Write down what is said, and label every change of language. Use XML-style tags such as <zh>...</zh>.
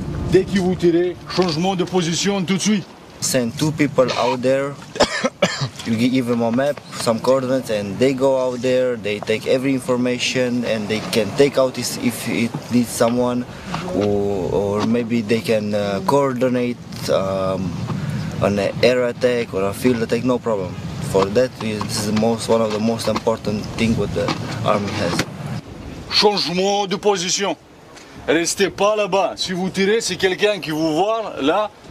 <fr>Dès que vous tirez, changement de position tout de suite.</fr> <en>Send 2 people out there. You give them a map, some coordinates, and they go out there, they take every information, and they can take out if it needs someone, or maybe they can coordinate an air attack or a field attack, no problem. For that, this is one of the most important things what the army has.</en> <fr>Changement de position. Restez pas là-bas. Si vous tirez, c'est quelqu'un qui vous voit là.</fr>